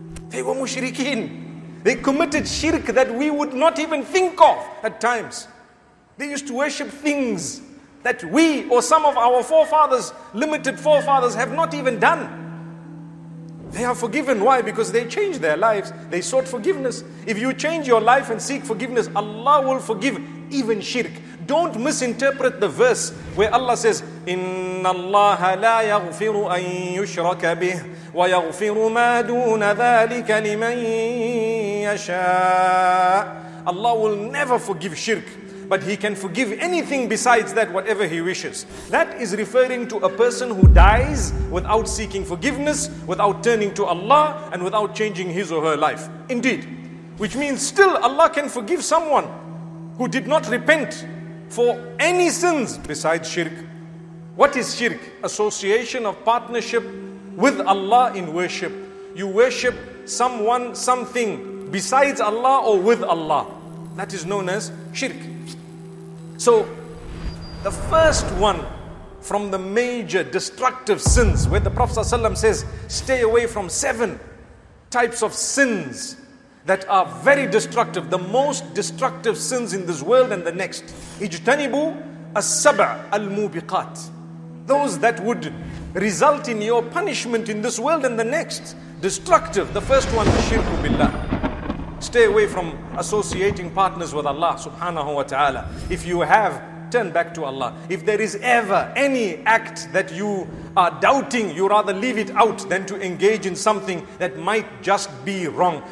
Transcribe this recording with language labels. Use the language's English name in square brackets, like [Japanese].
[English] They were mushrikeen. They committed shirk that we would not even think of at times. They used to worship things that we or some of our forefathers, limited forefathers, have not even done. They are forgiven. Why? Because they changed their lives. They sought forgiveness. If you change your life and seek forgiveness, Allah will forgive even shirk. Don't misinterpret the verse where Allah says, [Arabic] إِنَّ اللَّهَ لَا يَغْفِرُ أَن يُشْرَكَ بِهِ وَيَغْفِرُ مَا دُونَ ذَٰلِكَ لِمَن يَشَاءُ. [English] Allah will never forgive shirk, but He can forgive anything besides that, whatever He wishes. That is referring to a person who dies without seeking forgiveness, without turning to Allah, and without changing his or her life. Indeed. Which means still Allah can forgive someone who did not repent for any sins besides shirk. What is shirk? Association of partnership with Allah in worship. You worship someone, something besides Allah or with Allah. That is known as shirk. So the first one from the major destructive sins, where the Prophet ﷺ says, stay away from seven types of sins that are very destructive, the most destructive sins in this world and the next. [Arabic] اجتنبوا السبع الموبقات. [English] Those that would result in your punishment in this world and the next. Destructive. The first one, shirk billah. Stay away from associating partners with Allah subhanahu wa ta'ala. If you have, turn back to Allah. If there is ever any act that you are doubting, you rather leave it out than to engage in something that might just be wrong.